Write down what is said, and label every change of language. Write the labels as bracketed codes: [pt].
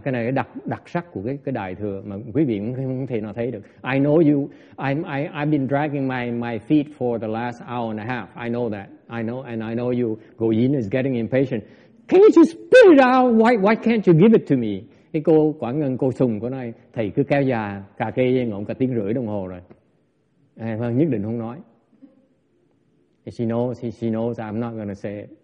[vi] Cái này cái đặc sắc của cái đại thừa mà quý vị không thể nào thấy được. [en] I know you. I've been dragging my feet for the last hour and a half. I know that. I know, and I know you. Go Yin is getting impatient. Can you just spit it out? Why can't you give it to me? [vi] Cái cô Quảng Ngân, cô Sùng của này, thầy cứ kéo dài cà kê ngộng cả tiếng rưỡi đồng hồ rồi. Vâng, nhất định không nói. [en] She knows I'm not going to say it.